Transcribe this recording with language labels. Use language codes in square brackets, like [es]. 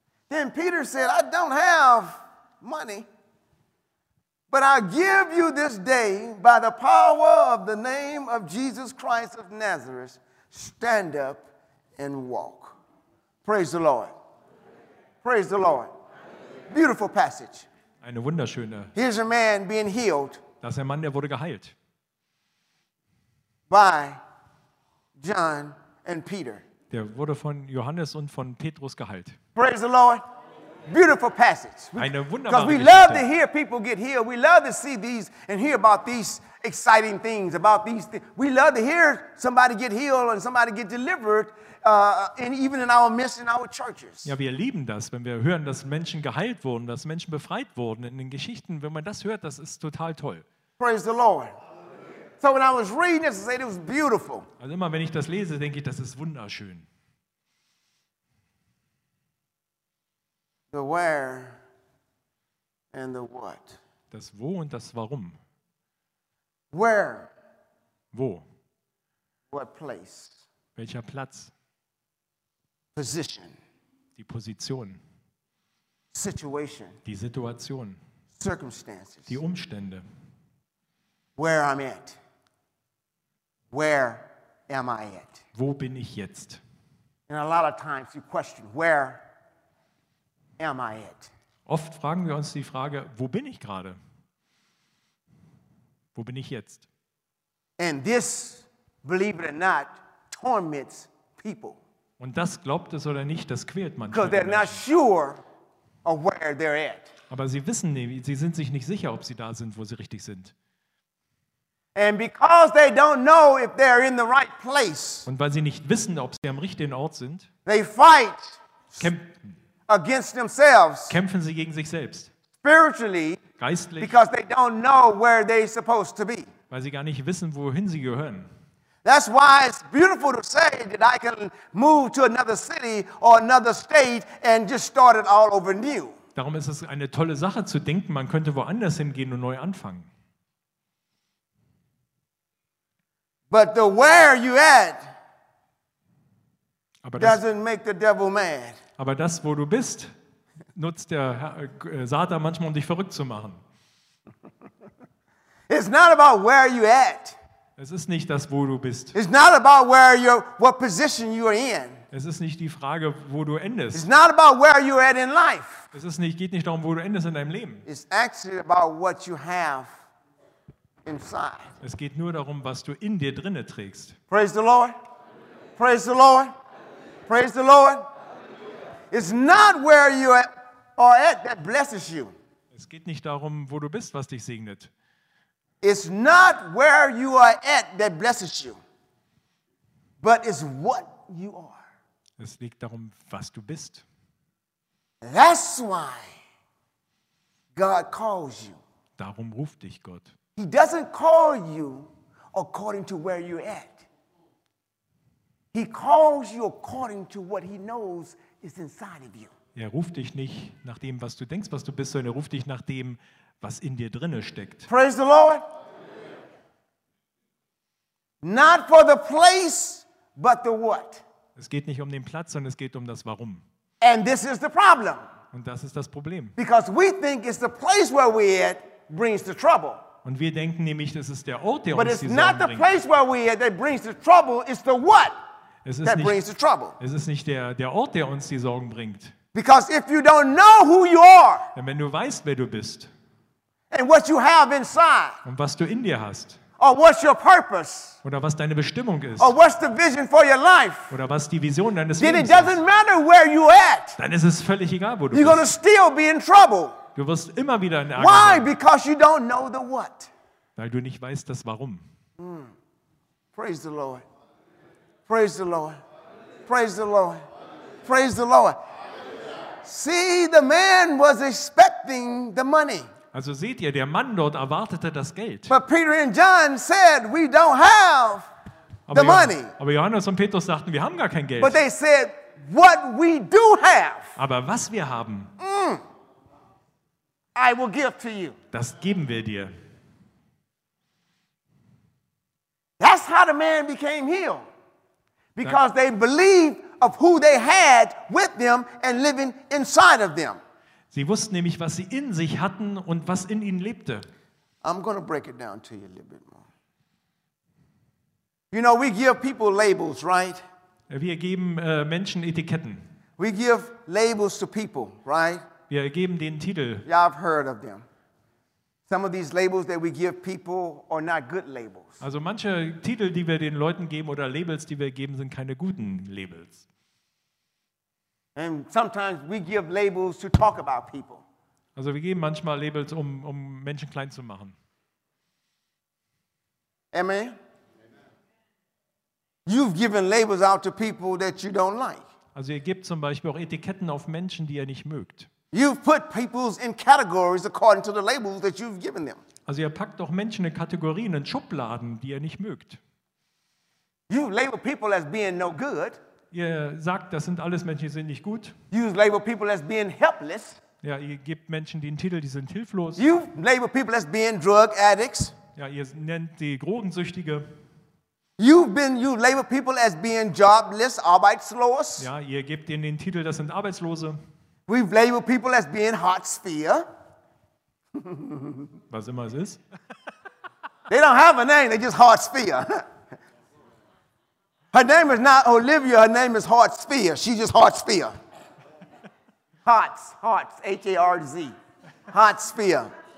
[en] Then Peter said, I don't have money, but I give you this day by the power of the name of Jesus Christ of Nazareth, stand up and walk. Praise the Lord. Praise the Lord. Beautiful passage. [de] Eine wunderschöne. [en] Here's a man being healed. [de] Das ist ein Mann, der wurde geheilt. [en] By John and Peter. [de] Der wurde von Johannes und von Petrus geheilt. [en] Praise the Lord. Beautiful passage. [de] Eine wunderbare Geschichte. [en] Because we love to hear people get healed. We love to see these and hear about these exciting things, about these things. We love to hear somebody get healed and somebody get delivered. And even in our midst, in our churches. [de] Ja, wir lieben das, wenn wir hören, dass Menschen geheilt wurden, dass Menschen befreit wurden in den Geschichten. Wenn man das hört, das ist total toll. [en] Praise the Lord. So when I was reading this, I said it was beautiful. [de] Also immer wenn ich das lese, denke ich, das ist wunderschön. [en] The where and the what. [de] Das wo und das warum. [en] Where. [de] Wo. [en] What place. [de] Welcher Platz. [en] Position. [de] Die Position. [en] Situation. [de] Die Situation. [en] Circumstances. [de] Die Umstände. [en] Where I'm at. Where am I at? [de] Wo bin ich jetzt? [en] And a lot of times you question, where am I at? [de] Oft fragen wir uns die Frage, wo bin ich gerade? Wo bin ich jetzt? [en] And this, believe it or not, torments people. [de] Und das, glaubt es oder nicht, das quält manche. [en] Because they're not sure of where they're at. [de] Aber sie wissen nicht, sie sind sich nicht sicher, ob sie da sind, wo sie richtig sind. [en] And because they don't know if they're in the right place. [de] Und weil sie nicht wissen, ob sie am richtigen Ort sind. [en] They fight against themselves. [de] Kämpfen sie gegen sich selbst. [en] Spiritually. [de] Geistlich. [en] Because they don't know where they're supposed to be. [de] Weil sie gar nicht wissen, wohin sie gehören. [en] That's why it's beautiful to say that I can move to another city or another state and just start it all over new. [de] Darum ist es eine tolle Sache zu denken, man könnte woanders hingehen und neu anfangen. [en] But the where you at doesn't make the devil mad. [de] Aber das, wo du bist, nutzt der Satan manchmal, um dich verrückt zu machen. [en] It's not about where you at. [de] Es ist nicht das, wo du bist. [en] It's not about where you're, what position you're in. [de] Es ist nicht die Frage, wo du endest. [en] It's not about where you're at in life. [de] Es ist nicht, geht nicht darum, wo du endest in deinem Leben. [en] It's actually about what you have inside. [de] Es geht nur darum, was du in dir drinne trägst. [en] Praise the Lord. Praise the Lord. Praise the Lord. It's not where you are at that blesses you. [de] Es geht nicht darum, wo du bist, was dich segnet. [en] It's not where you are at that blesses you, but it's what you are. [de] Es liegt darum, was du bist. [en] That's why God calls you. [de] Darum ruft dich Gott. [en] He doesn't call you according to where you're at. He calls you according to what he knows is inside of you. [de] Er ruft dich nicht nach dem, was du denkst, was du bist, sondern er ruft dich nach dem, was in dir drinne steckt. [en] Praise the Lord. Not for the place, but the what. [de] Es geht nicht um den Platz, sondern es geht um das Warum. [en] And this is the problem. [de] Und das ist das Problem. [en] Because we think it's the place where we're at brings the trouble. [de] Und wir denken nämlich, das ist der Ort, der [en] but [de] uns die Sorgen bringt. [en] But it's not the place where we're at that brings the trouble. It's the what [de] es ist [en] that [de] nicht, [en] brings the trouble. [de] Es ist nicht der Ort, der uns die Sorgen bringt. [en] Because if you don't know who you are. [de] Denn wenn du weißt, wer du bist. [en] And what you have inside. [de] Und was du in dir hast. [en] Or what's your purpose. [de] Oder was deine Bestimmung ist. [en] Or what's the vision for your life. [de] Oder was die Vision deines [en] then [de] Lebens [en] it doesn't matter where you're at. [de] Dann ist es völlig egal, wo du [en] you're [de] bist. [en] Gonna still be in trouble. [de] Du wirst immer wieder in Ärger [en] why? [de] Sein. [en] Because you don't know the what. [de] Weil du nicht weißt, das Warum. Mm. [en] Praise the Lord. Praise the Lord. Praise the Lord. Praise the Lord. See, the man was expecting the money. [de] Also seht ihr, der Mann dort erwartete das Geld. [en] But Peter and John said, we don't have the money. [de] Aber Johannes und Petrus sagten, wir haben gar kein Geld. [en] But they said, what we do have. [de] Aber was wir haben, [en] I will give to you. [de] Das geben wir dir. [en] That's how the man became healed. Because they believed of who they had with them and living inside of them. [de] Sie wussten nämlich, was sie in sich hatten und was in ihnen lebte. [en] I'm going to break it down to you a little bit more. You know, we give people labels, right? [de] Wir geben Menschen Etiketten. [en] We give labels to people, right? [de] Wir geben denen Titel. [en] Yeah, I've heard of them. Some of these labels that we give people are not good labels. [de] Also manche Titel, die wir den Leuten geben oder Labels, die wir geben, sind keine guten Labels. [en] And sometimes we give labels to talk about people. [de] Also wir geben manchmal Labels, um Menschen klein zu machen. [en] Amen. You've given labels out to people that you don't like. [de] Also ihr gebt zum Beispiel auch Etiketten auf Menschen, die ihr nicht mögt. [en] You've put people in categories according to the labels that you've given them. [de] Also ihr packt doch Menschen in Kategorien, in Schubladen, die ihr nicht mögt. [en] You label people as being no good. [de] Ihr sagt, das sind alles Menschen, die sind nicht gut. [en] You label people as being helpless. [de] Ja, ihr gebt Menschen den Titel, die sind hilflos. [en] You label people as being drug addicts. [de] Ja, ihr nennt die Drogensüchtige. [en] You label people as being jobless, [de] arbeitslos. Ja, ihr gebt ihnen den Titel, das sind Arbeitslose. [en] We label people as being hot sphere. [de] Was immer es ist. [en] They don't have a name, they just hot sphere. Her name is not Olivia, her name is hot sphere. She's just hot sphere. Hots, H-A-R-Z. Hot sphere.